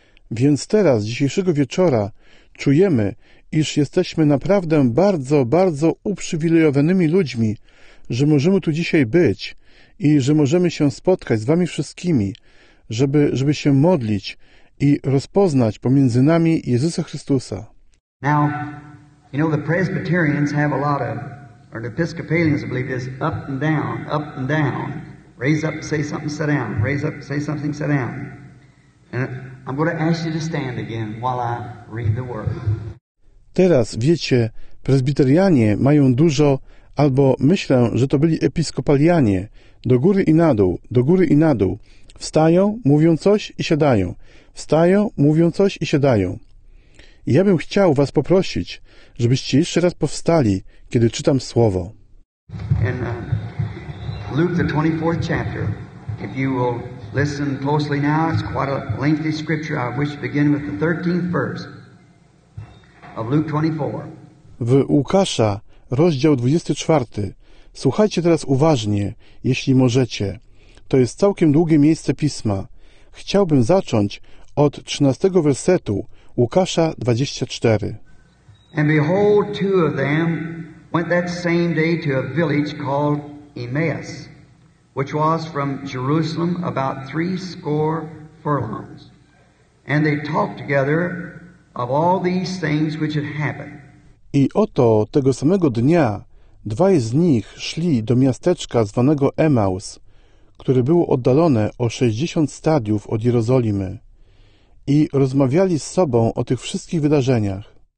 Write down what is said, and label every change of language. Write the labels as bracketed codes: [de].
[pl] Więc teraz, dzisiejszego wieczora, czujemy, iż jesteśmy naprawdę bardzo, bardzo uprzywilejowanymi ludźmi, że możemy tu dzisiaj być i że możemy się spotkać z wami wszystkimi, żeby się modlić i rozpoznać pomiędzy nami Jezusa Chrystusa. [en] Now, you know, the Presbyterians have a lot of, or the Episcopalians, I believe, is up and down, raise up, say something, sit down, raise up, say something, sit down. And I'm going to ask you to stand again while I read the word. [pl] Teraz, wiecie, prezbiterianie mają dużo, albo myślę, że to byli episkopalianie, do góry i na dół, do góry i na dół. Wstają, mówią coś i siadają. Wstają, mówią coś i siadają. I ja bym chciał was poprosić, żebyście jeszcze raz powstali, kiedy czytam słowo. [en] In Luke, the 24th chapter, if you will listen closely now, it's quite a lengthy scripture. I wish to begin with the 13th verse of Luke 24. [pl] W Łukasza, rozdział 24. Słuchajcie teraz uważnie, jeśli możecie. To jest całkiem długie miejsce pisma. Chciałbym zacząć od 13 wersetu Łukasza 24. [en] And behold, two of them went that same day to a village called Emmaus, which was from Jerusalem about 70 furlongs. And they talked together of all these things which had happened. [pl] I oto tego samego dnia dwaj z nich szli do miasteczka zwanego Emaus, które było oddalone o 60 stadiów od Jerozolimy, i rozmawiali z sobą o tych wszystkich wydarzeniach.